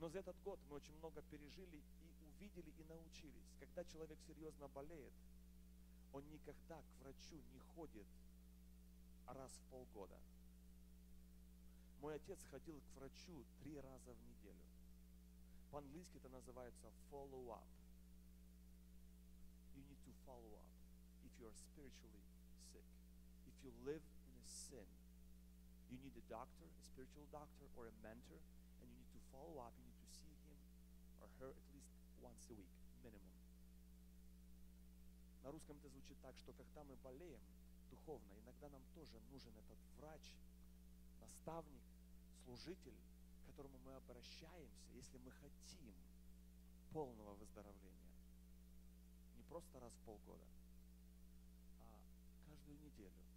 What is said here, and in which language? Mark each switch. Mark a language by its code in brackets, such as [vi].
[ru] Но за этот год мы очень много пережили и увидели и научились. Когда человек серьезно болеет, он никогда к врачу не ходит раз в полгода. Мой отец ходил к врачу 3 раза в неделю. По-английски это называется follow-up. [en] You need to follow up if you are spiritually sick. If you live in a sin, you need a doctor, a spiritual doctor or a mentor, and you need to follow up, you need to see him or her at least once a week, minimum. [ru] На русском это звучит так, что когда мы болеем духовно, иногда нам тоже нужен этот врач, наставник, служитель, к которому мы обращаемся, если мы хотим полного выздоровления. Не просто раз в полгода, а каждую неделю.